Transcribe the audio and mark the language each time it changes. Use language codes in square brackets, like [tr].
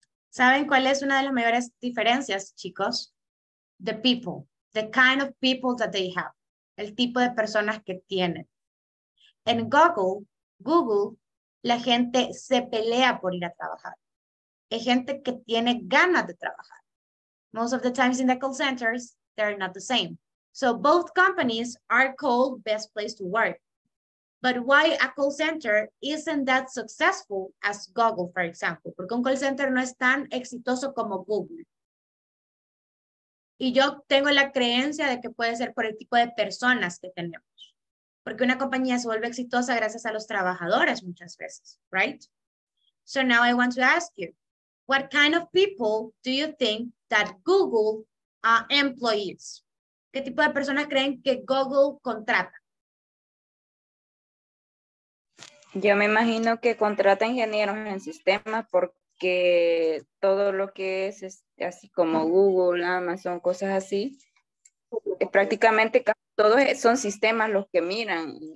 [es] ¿Saben cuál es una de las mayores diferencias, chicos? [en] The people, the kind of people that they have, [es] el tipo de personas que tienen. En Google, la gente se pelea por ir a trabajar. Es gente que tiene ganas de trabajar. [en] Most of the times in the call centers, they're not the same. So both companies are called best place to work. But why a call center isn't that successful as Google, for example? [es] Porque un call center no es tan exitoso como Google. Y yo tengo la creencia de que puede ser por el tipo de personas que tenemos. Porque una compañía se vuelve exitosa gracias a los trabajadores muchas veces, right? [en] So now I want to ask you, what kind of people do you think that Google employs? [es] ¿Qué tipo de personas creen que Google contrata? Yo me imagino que contrata ingenieros en sistemas porque todo lo que es así como Google, Amazon, cosas así, prácticamente todos son sistemas los que miran.